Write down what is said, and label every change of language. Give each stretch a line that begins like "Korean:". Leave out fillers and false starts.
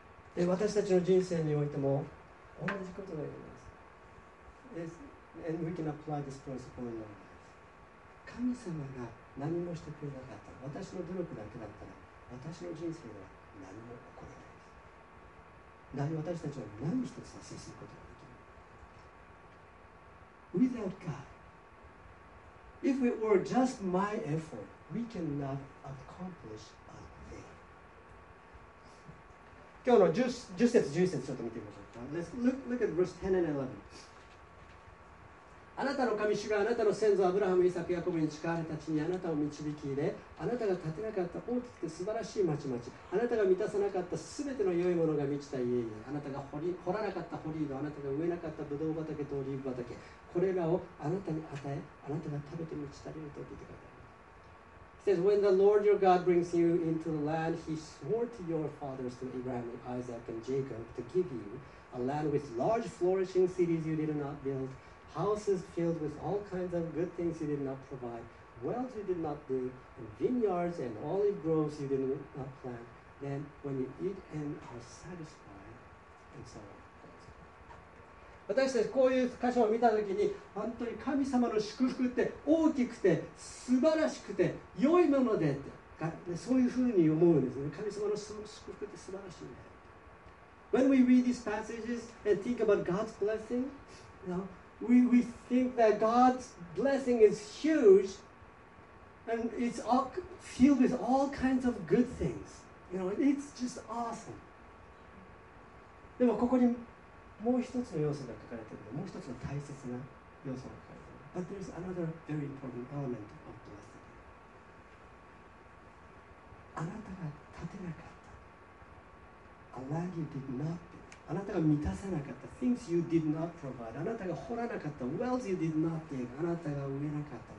Japanese: で、私たちの人生においても同じことが言えます。
English: Yes, and we can apply this principle in our lives.
Japanese: 神様が何もしてくれなかったら、私の努力だけだったら、私の人生では何も起こらないです。何、私たちは何一つ達成することができない。
English: We without God, if it were just my effort, we cannot accomplish a thing.
Japanese: 今日の10節11節ちょっと見てみましょうか。
English: Let's look at verse 10 and 11.
Japanese: あなたの神主があなたの先祖アブラハム、イサク、ヤコブに誓われた地にあなたを導き入れ、あなたが建てなかった大きくて素晴らしい町々、あなたが満たさなかったすべての良いものが満ちた家々、あなたが掘らなかった掘り井戸、あなたが植えなかったブドウ畑とオリーブ畑、これらをあなたに与え、あなたが食べて満ち足りると言ってください。
English: It says, when the Lord your God brings you into the land he swore to your fathers, to Abraham, Isaac, and Jacob, to give you, a land with large flourishing cities you did not build, houses filled with all kinds of good things you did not provide, wells you did not dig, and vineyards and olive groves you did not plant, then when you eat and are satisfied, and so on.
Japanese: 私たちこういう箇所を見たときに、本当に神様の祝福って大きくて素晴らしくて良いものでって、そういうふうに思うんですね。神様の祝福って素晴らしいんだよ。
English: When we read these passages and think about God's blessing, you know, we think that God's blessing is huge and it's all filled with all kinds of good things. You know, it's just awesome.
Japanese: でもここにもう一つの要素が書かれているので、もう一つの大切な要素が書かれている。
English: But there's another very important element of blessing.
Japanese: あなたが建てなかった。
English: A land you did not build.
Japanese: あなたが満たさなかった。
English: Things you did not provide.
Japanese: あなたが掘らなかった。
English: Wells you did not dig.
Japanese: あなたが植えなかった。